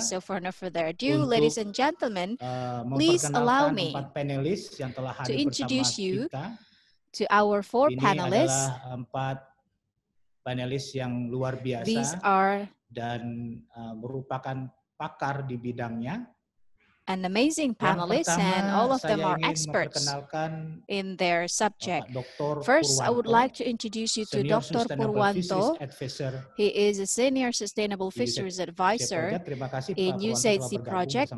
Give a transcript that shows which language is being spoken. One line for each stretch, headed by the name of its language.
English: So for no further ado, ladies and gentlemen, please allow me to introduce you to our four panelists.
Indonesian: Ini adalah empat panelis yang luar biasa.
English: These are
Indonesian: dan merupakan pakar di bidangnya.
English: An amazing panelist, and all of them are experts in their subject. First, I would like to introduce you to Dr. Purwanto. He is a senior sustainable fisheries advisor in USAID Sea Project.